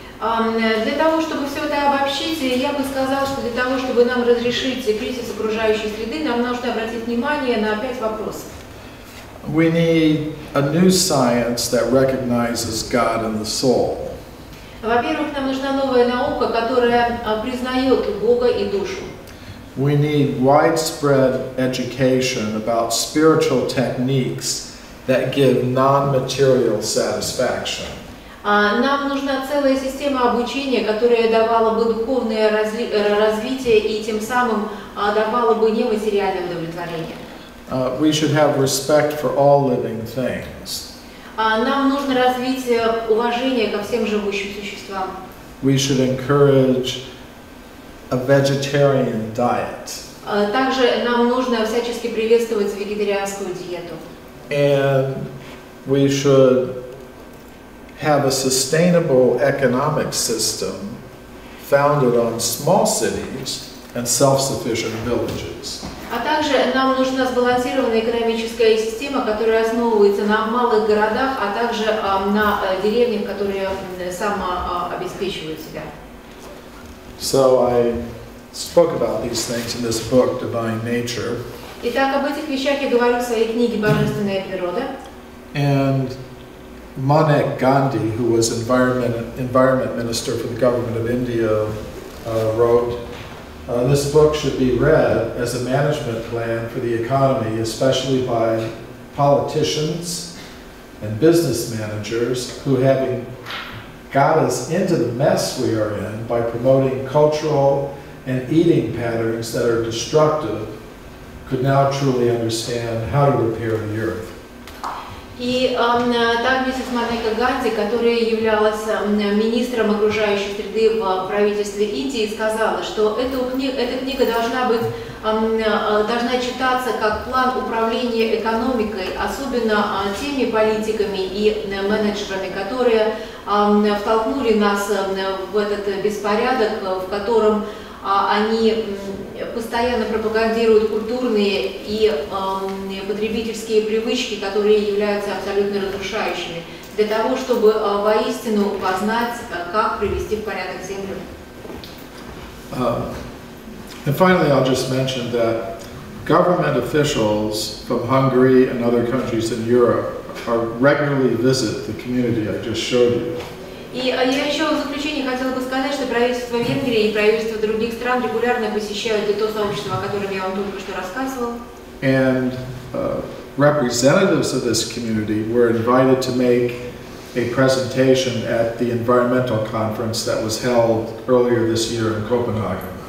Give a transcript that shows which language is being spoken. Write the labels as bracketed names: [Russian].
[Russian] Для того, чтобы все это обобщить, я бы сказала, что для того, чтобы нам разрешить кризис окружающей среды, нам нужно обратить внимание на 5 вопросов. [English] We need a new science that recognizes God in the soul. [Russian] Во-первых, нам нужна новая наука, которая признает Бога и душу. [English] We need widespread education about spiritual techniques that give non-material satisfaction. [Russian] Нам нужна целая система обучения, которая давала бы духовное развитие и тем самым давала бы нематериальное удовлетворение. [English] We should have respect for all living things. [Russian] Нам нужно развить уважение ко всем живущим существам. [English] We should encourage a vegetarian diet. [Russian] Также нам нужно всячески приветствовать вегетарианскую диету. [English] And we should have a sustainable economic system founded on small cities and self-sufficient villages. [Russian] А также нам нужна сбалансированная экономическая система, которая основывается на малых городах, а также на деревнях, которые самообеспечивают себя. [English] So I spoke about these things in this book, Divine Nature. [Russian] Итак, об этих вещах я говорю в своей книге «Божественная природа». [English] And Manek Gandhi, who was environment minister for the government of India, wrote, this book should be read as a management plan for the economy, especially by politicians and business managers who, having got us into the mess we are in by promoting cultural and eating patterns that are destructive, could now truly understand how to repair the earth. [Russian] И так миссис Манека Ганди, которая являлась министром окружающей среды в правительстве Индии, сказала, что эта книга должна читаться как план управления экономикой, особенно теми политиками и менеджерами, которые втолкнули нас в этот беспорядок, в котором они постоянно пропагандируют культурные и потребительские привычки, которые являются абсолютно разрушающими, для того, чтобы воистину познать, как привести в порядок землю. [English] And finally, I'll just mention that government officials from Hungary and other countries in Europe are regularly visit the community I just showed you. [Russian] И я еще в заключение хотела бы сказать, что правительство Венгрии и правительство других стран регулярно посещают то сообщество, о котором я вам только что рассказывал. [English] And representatives of this community were invited to make a presentation at the environmental conference that was held earlier this year in Copenhagen.